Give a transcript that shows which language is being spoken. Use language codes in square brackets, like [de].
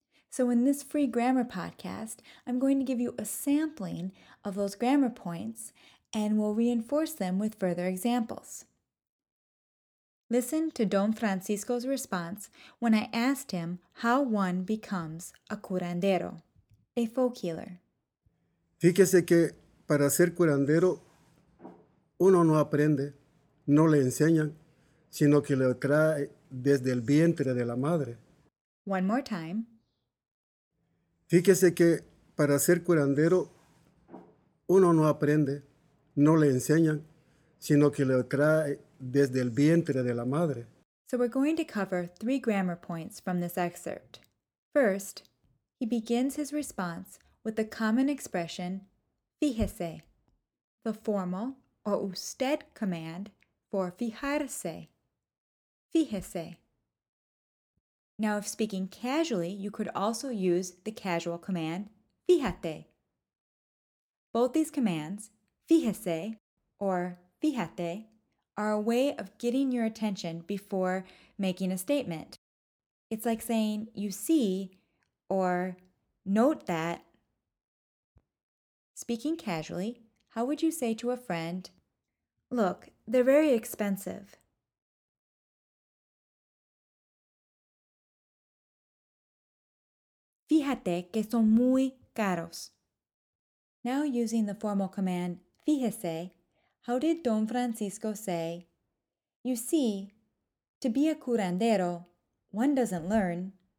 [en] So in this free grammar podcast, I'm going to give you a sampling of those grammar points and we'll reinforce them with further examples. Listen to Don Francisco's response when I asked him how one becomes a curandero, a folk healer. [es] Fíjese que para ser curandero, uno no aprende, no le enseñan, sino que lo trae desde el vientre de la madre. [en] One more time. [es] Fíjese que para ser curandero, uno no aprende, no le enseñan, sino que lo trae desde el vientre de la madre. [en] So we're going to cover three grammar points from this excerpt. First, he begins his response with the common expression, fíjese, the formal or usted command for fijarse. Fíjese. Now, if speaking casually, you could also use the casual command, fíjate. Both these commands, fíjese or fíjate, are a way of getting your attention before making a statement. It's like saying, you see, or note that. Speaking casually, how would you say to a friend, look, they're very expensive. [es] Fíjate que son muy caros. [en] Now using the formal command, fíjese, how did Don Francisco say, you see, to be a curandero, one doesn't learn.